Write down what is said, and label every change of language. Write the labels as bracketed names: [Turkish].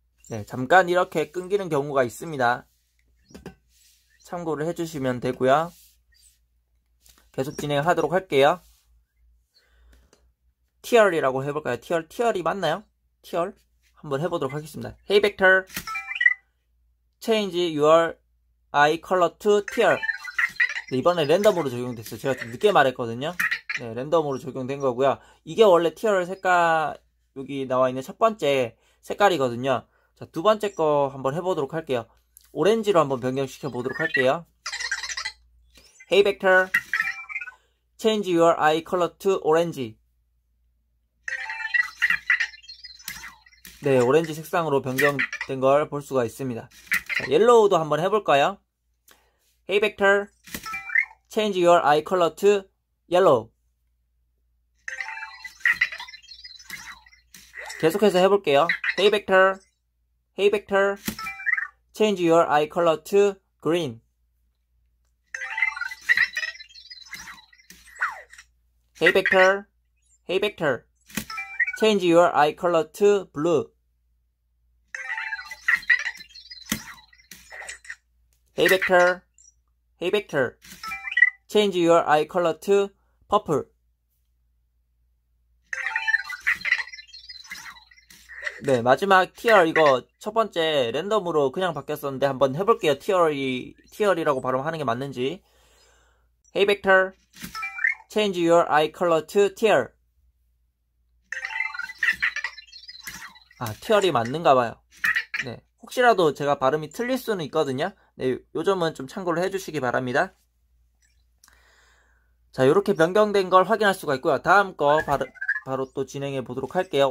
[Korean] 네, 잠깐 이렇게 끊기는 경우가 있습니다. 참고를 해주시면 되고요. 계속 진행하도록 할게요. TR이라고 해볼까요? TR이 맞나요? TR? 한번 해보도록 하겠습니다. [English] Hey Vector, change your eye color to TR. [Korean] 네, 이번에 랜덤으로 적용됐어요. 제가 좀 늦게 말했거든요. 네, 랜덤으로 적용된 거고요. 이게 원래 TR 색깔 여기 나와 있는 첫 번째 색깔이거든요. 자, 두 번째 거 한번 해보도록 할게요. 오렌지로 한번 변경시켜 보도록 할게요. [English] Hey Vector, change your eye color to orange. [Korean] 네, 오렌지 색상으로 변경된 걸볼 수가 있습니다. 자, 옐로우도 한번 해볼까요? [English] Hey Vector, change your eye color to yellow. [Korean] 계속해서 해볼게요. [English] Hey Vector, Hey Vector, change your eye color to green. Hey Vector, change your eye color to blue. Hey Vector, change your eye color to purple. [Korean] 네, 마지막 TR 이거 첫 번째 랜덤으로 그냥 바뀌었었는데 한번 해볼게요. TR이라고 발음하는 게 맞는지. [English] Hey Vector, change your eye color to TR. [Korean] 아, TR이 맞는가 봐요. 네, 혹시라도 제가 발음이 틀릴 수는 있거든요. 네, 요 점은 좀 참고를 해주시기 바랍니다. 자, 요렇게 변경된 걸 확인할 수가 있고요. 다음 거 바로 또 진행해 보도록 할게요.